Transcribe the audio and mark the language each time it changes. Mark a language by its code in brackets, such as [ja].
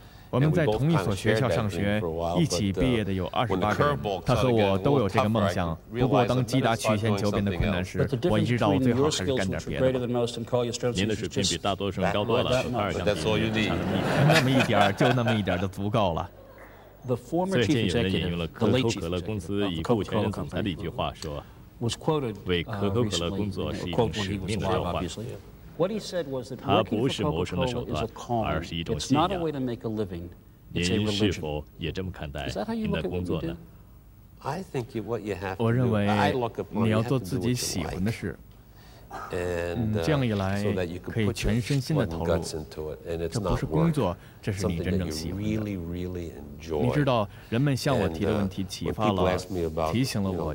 [zh] 我们在同一所学校上学，一起毕业的有二十八个人。他和我都有这个梦想。不过，当击打曲线球变得困难时，我意识到我最好是干点别的。您的水平比大多数人高多了，卡尔想。那么一点儿，就那么一点儿的足够了。为可口可乐公司已故前任总裁的一句话说：“为可口可乐工作是使命的召唤。” [en] What he said was that working for Coca-Cola is a calling. It's not a way to make a living. It's a religion. Is that how you look at what you do? I think what you have to do. I look upon you have to do what you like. And so that you can put your sweat and guts into it, and it's not work. It's something that you really, really enjoy. [zh] 你知道，人们向我提的问题启发了，提醒了我，